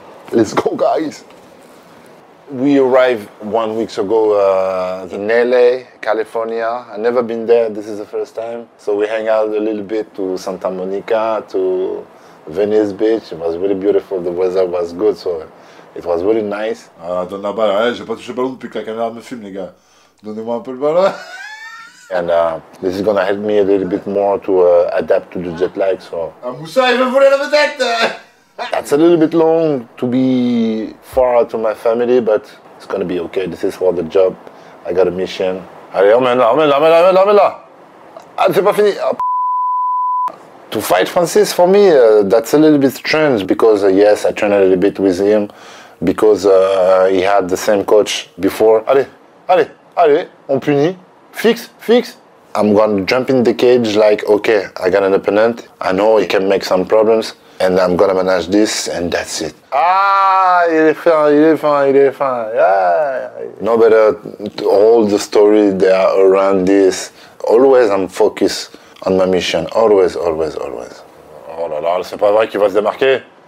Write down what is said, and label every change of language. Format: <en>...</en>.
<en>Let's go, guys. We arrived 1 week ago in LA, California. I never been there. This is the first time. So we hang out a little bit to Santa Monica, to Venice Beach. It was really beautiful. The weather was good, so it was really nice.</en> <fr>Ah, donne la balle. Hey, j'ai pas touché le ballon depuis que la caméra me filme, les gars. Donnez-moi un peu le ballon.</fr> <en>And this is gonna help me a little bit more to adapt to the jet lag. So.</en> <fr>Ah, Moussa, il veut voler la vedette.</fr> <en>That's a little bit long to be far out to my family, but it's gonna be okay. This is for the job. I got a mission.</en> <fr>Allez, emmène là. Ah, c'est pas fini.</fr> <en>Ah, to fight Francis for me, that's a little bit strange because yes, I trained a little bit with him because he had the same coach before.</en> <fr>Allez, on punit.</fr> <en>Fix. I'm gonna jump in the cage like, okay, I got an opponent. I know he can make some problems. And I'm gonna manage this, and that's it.</en> <fr>Ah, il est fin. Yeah.</fr> <en>No better, all the stories that are around this. Always I'm focused on my mission. Always.</en> <fr>Oh là là, c'est pas vrai qu'il va se démarquer.</fr>